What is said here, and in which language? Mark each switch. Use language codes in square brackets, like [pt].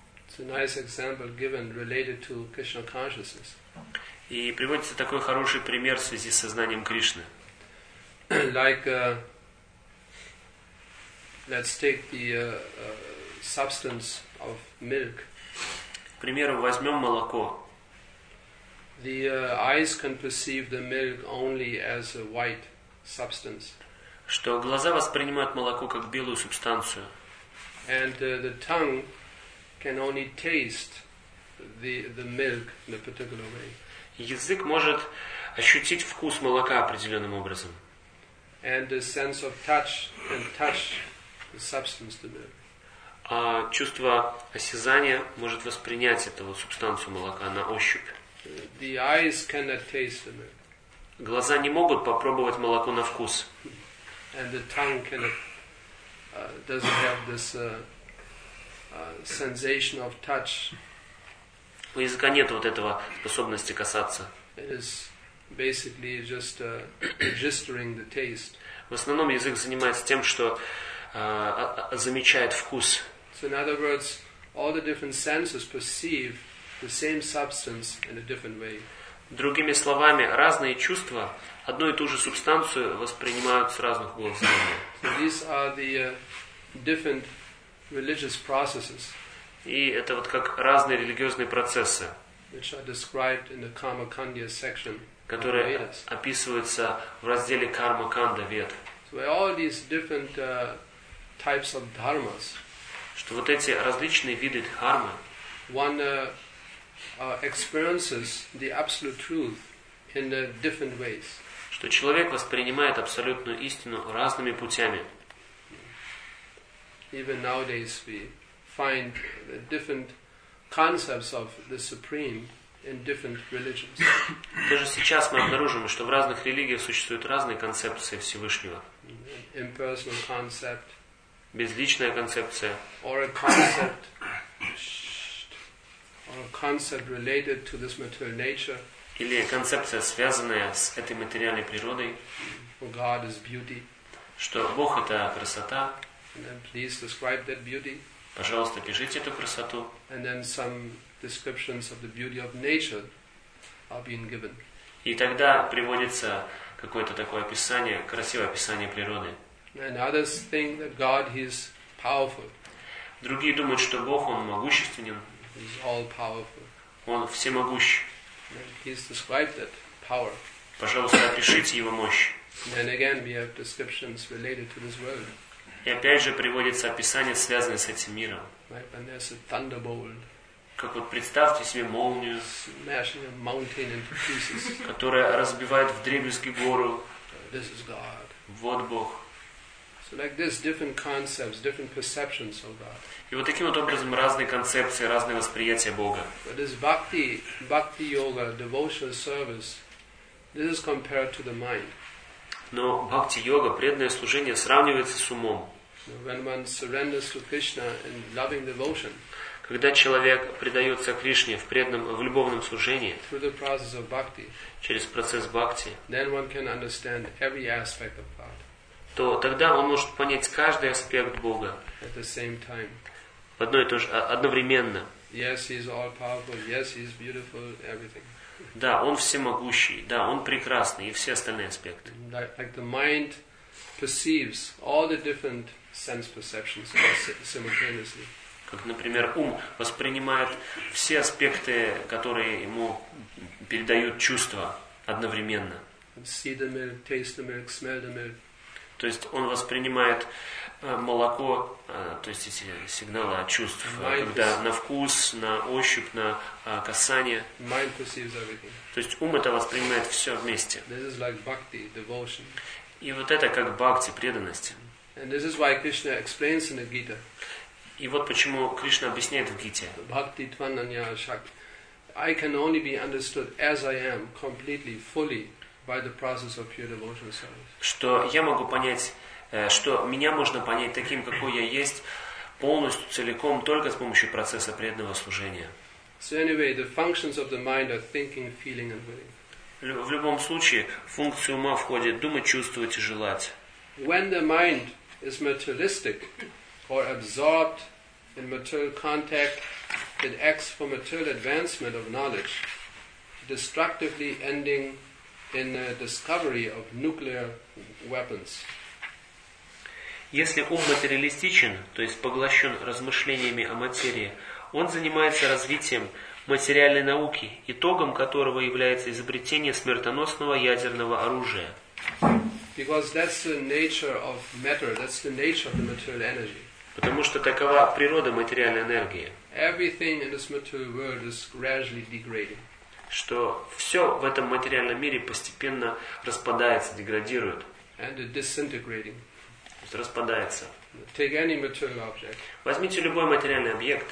[en] It's a nice example given related to Krishna consciousness. [ru] И приводится такой хороший пример в связи с сознанием Кришны. [en] Like, let's take the substance of milk. [ru] К примеру, возьмем молоко. [en] The eyes can perceive the milk only as a white substance. [ru] Что глаза воспринимают молоко как белую субстанцию. [en] And the tongue can only taste the milk in a particular way. [ru] Язык может ощутить вкус молока определенным образом. [en] And the sense of touch can touch the substance to milk. [ru] А чувство осязания может воспринять эту вот субстанцию молока на ощупь. [en] The eyes cannot taste the milk. [ru] Глаза не могут попробовать молоко на вкус. [en] And the tongue cannot, doesn't have this sensation of touch. [ru] У языка нет вот этого способности касаться. [en] It is basically just registering the taste. [ru] В основном язык занимается тем, что замечает вкус. [en] So in other words, all the different senses perceive the same substance in a different way. [ru] Другими словами, разные чувства одну и ту же субстанцию воспринимают с разных углов зрения. [en] So these are the different religious processes. [ru] И это вот как разные религиозные процессы, [en] which are described in the Karma Kanda section, [ru] которые описываются в разделе Карма Канда Вед. [en] So all these different types of dharmas. [ru] Что вот эти различные виды дхармы, [en] one experiences the absolute truth in different ways. [ru] Что человек воспринимает абсолютную истину разными путями. [en] Even nowadays we find different concepts of the supreme in different religions. [ru] Даже сейчас мы обнаружим, что в разных религиях существуют разные концепции Всевышнего. [en] Impersonal concept. [ru] Безличная концепция. [en] Or a concept, or a concept related to this material nature. [ru] Или концепция, связанная с этой материальной природой. [en] For God is beauty. [ru] Что Бог — это красота. [en] And then please describe that beauty. [ru] Пожалуйста, пишите эту красоту. [en] And then some descriptions of the beauty of nature are being given. [ru] И тогда приводится какое-то такое описание, красивое описание природы. [en] And others think that God is powerful. [ru] Другие думают, что Бог, Он могущественен. [en] He's all powerful. [ru] Он всемогущ. [en] He's described that power. [ru] Пожалуйста, опишите его мощь. [en] And again, we have descriptions related to this world. [ru] И опять же приводится описание, связанное с этим миром. [en] Right, and there's a thunderbolt. [ru] Как вот представьте себе молнию, [en] smashing a mountain into pieces. [ru] Которая разбивает вдребезги гору. [en] This is God. [ru] Вот Бог. [en] So like this, different concepts, different perceptions of God. [ru] И вот таким вот образом разные концепции, разные восприятия Бога. [en] But this bhakti, bhakti yoga, devotional service, this is compared to the mind. [ru] Но bhakti yoga, преданное служение, сравнивается с умом. [en] When one surrenders to Krishna in loving devotion. [ru] Когда человек предается Кришне в преданном, в любовном служении, [en] through the process of bhakti, [ru] через процесс бхакти, [en] then one can understand every aspect of God. [ru] То тогда он может понять каждый аспект Бога [en] at the same time. [ru] В одно и то же, одновременно. [en] Yes, he is all powerful. Yes, he is beautiful. Everything. [ru] Да, он всемогущий, да, он прекрасный, и все остальные аспекты. [en] Like the mind perceives all the different sense perceptions simultaneously. [ru] Как, например, ум воспринимает все аспекты, которые ему передают чувства одновременно. [en] See the milk, taste the milk, smell the milk. [ru] То есть он воспринимает молоко, то есть эти сигналы от чувств, когда на вкус, на ощупь, на касание. [en] Mind perceives everything. [ru] То есть ум это воспринимает все вместе. [en] This is like bhakti, devotion. [ru] И вот это как бхакти, преданность. [en] And this is why Krishna explains in the Gita. [ru] И вот почему Кришна объясняет в Гите. [sa] Bhakti tvananya shakti. [en] I can only be understood as I am, completely, fully. By the process of pure devotional service. [ru] Что я могу понять, что меня можно понять таким, какой я есть, полностью, целиком, только с помощью процесса преданного служения. [en] So anyway, the functions of the mind are thinking, feeling, and willing. [ru] В любом случае, функции ума входят думать, чувствовать и желать. [en] When the mind is materialistic or absorbed in material contact, it acts for material advancement of knowledge, destructively ending. In the discovery of nuclear weapons. [ru] Если ум материалистичен, то есть поглощен размышлениями о материи, он занимается развитием материальной науки, итогом которого является изобретение смертоносного ядерного оружия. [en] Because that's the nature of matter, that's the nature of the material energy. [ru] Потому что такова природа материальной энергии. [en] Everything in this material world is gradually degrading. [ru] Что все в этом материальном мире постепенно распадается, деградирует. [en] And disintegrating. [ru] То есть распадается. [en] Take any material object. [ru] Возьмите любой материальный объект.